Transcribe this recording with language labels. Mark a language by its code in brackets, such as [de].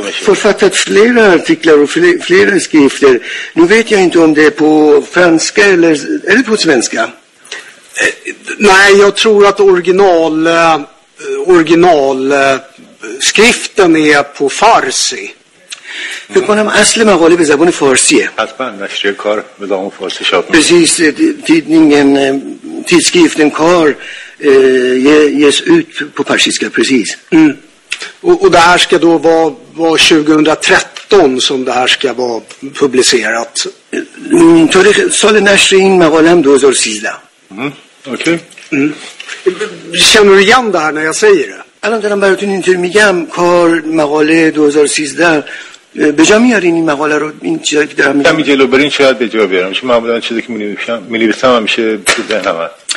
[sv] författat flera artiklar och flera skrifter. Nu vet jag inte om det är på franska eller är det på svenska? Nej, jag tror att originalskriften är på farsi. [fa] فکر کنم اصل مقاله به زبان فارسیه. حتما نشریه کار به زبان فارسی چاپ میشه. [sv] Precis, tidningen tidskriften Kar ges ut på persiska, precis. Och det här ska då vara 2013 som det här ska vara publicerat. [fa] تاریخ سال نشر این مقاله 2013. [sv] Okej. Känner du igen det här när jag säger det? [fa] الان دارم براتون اینطور میگم کار مقاله 2013 به جا میارین این مقاله رو این چیزایی که دارم میگم جلو برین شاید به جا بیارم چون معمولا چیزی که می نویسم همیشه تو ذهنم